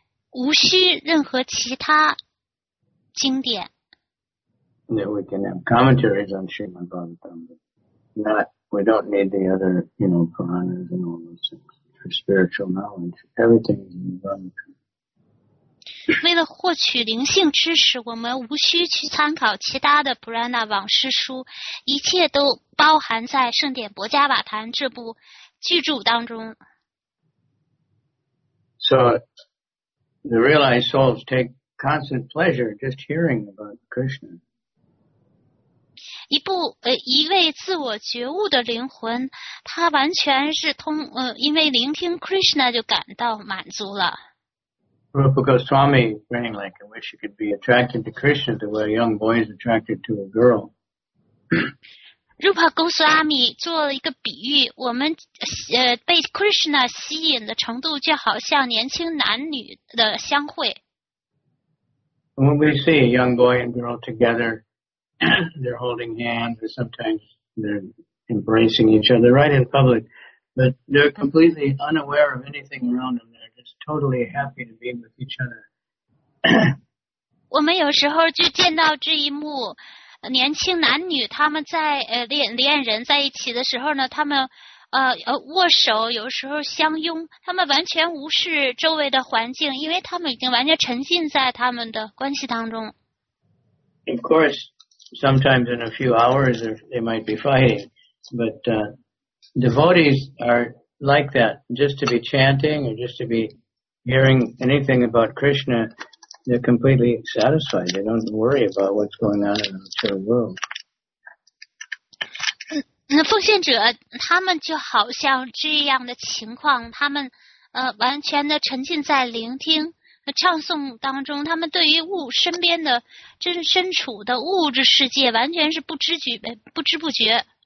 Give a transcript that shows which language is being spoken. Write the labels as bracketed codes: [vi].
[zh] 无需任何其他经典。 [en] That we can have commentaries on Srimad Bhagavatam, but not, we don't need the other, you know, Puranas and all those things for spiritual knowledge. Everything is in the Bhagavatam. [zh] 为了获取灵性知识，我们无需去参考其他的 Purana 往事书，一切都包含在《圣典博迦瓦坛》这部巨著当中。 [en] So the realized souls take constant pleasure just hearing about Krishna. [zh] 一位自我觉悟的灵魂，他完全是通因为聆听 Krishna 就感到满足了。 [en] Rupa Goswami praying like, I wish you could be attracted to Krishna the way a young boy is attracted to a girl. [zh] Rupa Goswami 做了一个比喻，我们被 Krishna 吸引的程度就好像年轻男女的相会。 [en] When we see a young boy and girl together, they're holding hands, or sometimes they're embracing each other right in public, but they're completely unaware of anything around them. Totally happy to be with each other. [zh] 我们有时候就见到这一幕，年轻男女他们在恋人在一起的时候呢，他们握手，有时候相拥，他们完全无视周围的环境，因为他们已经完全沉浸在他们的关系当中。 [en] Of course, sometimes in a few hours they might be fighting, but devotees are. Like that, just to be chanting or just to be hearing anything about Krishna, they're completely satisfied. They don't worry about what's going on in the material world. [zh] 那奉献者他们就好像这样的情况，他们完全的沉浸在聆听和唱诵当中。他们对于物身边的真身处的物质世界完全是不知不觉。